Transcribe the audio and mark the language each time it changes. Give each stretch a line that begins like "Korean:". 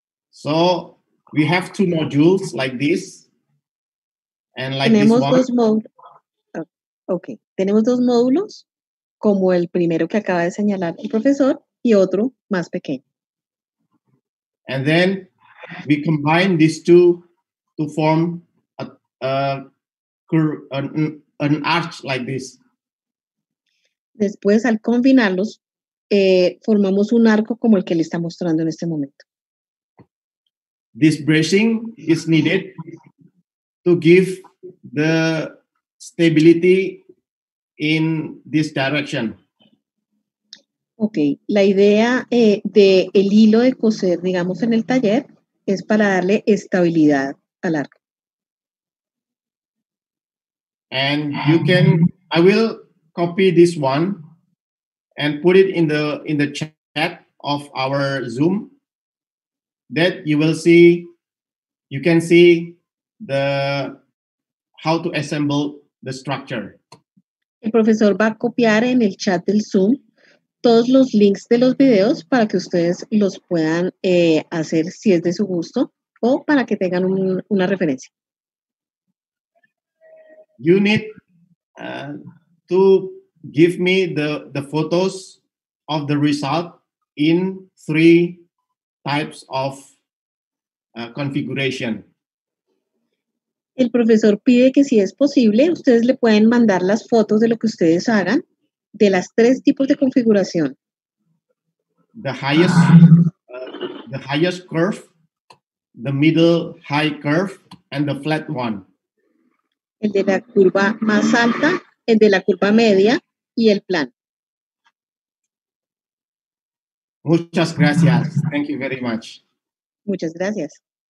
English: So, we have two modules like this. And like
Spanish: tenemos
English: this one.
Spanish: Dos módulos. Okay, tenemos dos módulos, como el primero que acaba de señalar el profesor y otro más pequeño.
English: And then we combine these two to form an arch like this.
Spanish: Después, al combinarlos, formamos un arco como el que le está mostrando en este momento.
English: This bracing is needed to give the stability in this direction.
Spanish: Okay, la idea del hilo de coser, digamos, en el taller, es para darle estabilidad al arco.
English: And you can, I will copy this one and put it in the chat of our Zoom. That you will see, you can see the how to assemble the structure.
Spanish: El profesor va a copiar en el chat del Zoom todos los links de los videos para que ustedes los puedan hacer si es de su gusto o para que tengan una referencia.
English: You need to give me the photos of the result in three types of configuration.
Spanish: El profesor pide que si es posible, ustedes le pueden mandar las fotos de lo que ustedes hagan de las tres tipos de configuración.
English: The highest curve, the middle high curve, and the flat one.
Spanish: El de la curva más alta, el de la curva media y el plan. Muchas gracias.
English: Thank you very much.
Spanish: Muchas gracias.